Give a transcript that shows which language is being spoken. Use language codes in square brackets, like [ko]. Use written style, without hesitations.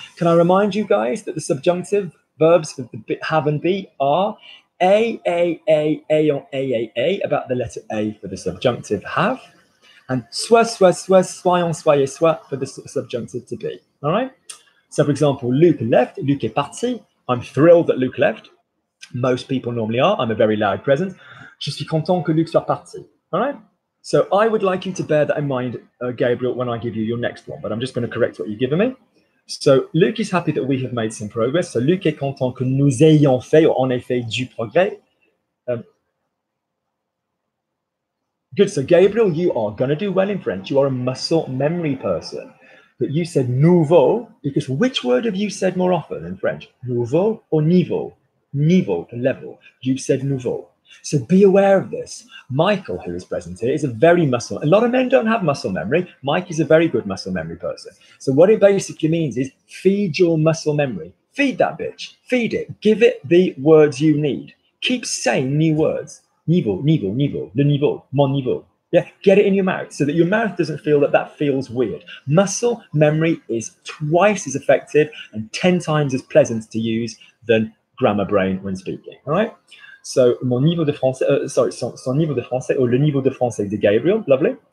[en] Can I remind you guys that the subjunctive verbs for the have and be are a, about the letter A for the subjunctive have, and soyons, for the subjunctive to be, all right? So for example, Luke left, [fr] Luke est parti. [en] I'm thrilled that Luke left. Most people normally are, I'm a very loud presence. [fr] Je suis content que Luc soit parti, [en] all right? So I would like you to bear that in mind, Gabriel, when I give you your next one, but I'm just going to correct what you've given me. So Luc is happy that we have made some progress. [fr] So Luc est content que nous ayons fait, or en effet, du progrès. [en] Good, so Gabriel, you are going to do well in French. You are a muscle memory person. But you said nouveau, because which word have you said more often in French? Nouveau or niveau? Niveau, the level. You've said nouveau. So be aware of this. Michael, who is present here, is a very muscle. A lot of men don't have muscle memory. Mike is a very good muscle memory person. So what it basically means is feed your muscle memory. Feed that bitch. Feed it. Give it the words you need. Keep saying new words. [fr] Niveau, niveau, niveau, le niveau, mon niveau. [en] Yeah, get it in your mouth so that your mouth doesn't feel that that feels weird. Muscle memory is twice as effective and 10 times as pleasant to use than grammar brain when speaking, all right? [fr] So mon niveau de français, son niveau de français, or le niveau de français de Gabriel, lovely.